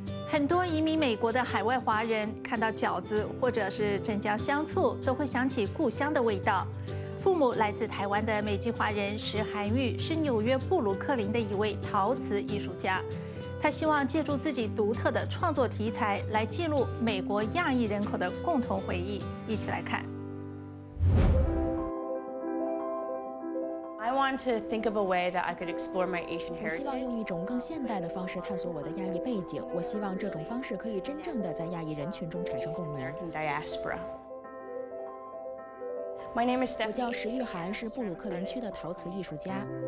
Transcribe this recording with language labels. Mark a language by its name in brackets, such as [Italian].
[Chinese] 很多移民美国的海外华人看到饺子或者是镇江香醋，都会想起故乡的味道。父母来自台湾的美籍华人石涵玉是纽约布鲁克林的一位陶瓷艺术家，他希望借助自己独特的创作题材来记录美国亚裔人口的共同回忆。一起来看。 [English] I want to think of a way that I could explore my Asian heritage. [Chinese] 我希望用一种更现代的方式探索我的亚裔背景。我希望这种方式可以真正的在亚裔人群中产生共鸣。 [English] American diaspora. My name is Stephanie. [Chinese] 我叫石玉涵，是布鲁克林区的陶瓷艺术家。